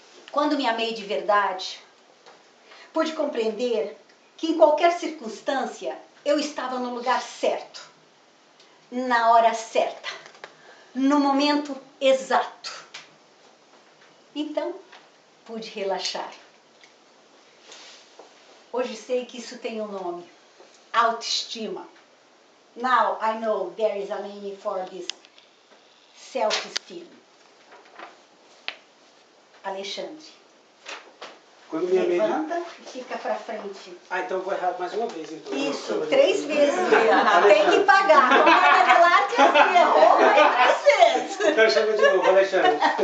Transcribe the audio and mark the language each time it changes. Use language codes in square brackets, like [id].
[pt] Quando me amei de verdade, pude compreender que em qualquer circunstância eu estava no lugar certo, na hora certa, no momento exato. Então, pude relaxar. Hoje sei que isso tem um nome: autoestima. [en] Now I know there is a name for this: self-esteem. [pt] Alexandre. Quando me amei. Levanta e fica pra frente. Ah, então eu vou errar mais uma vez, então. Isso, três vezes. Tem que pagar. Vamos pagar lá que assim, errou mais três vezes. Então chama de novo, Alexandre.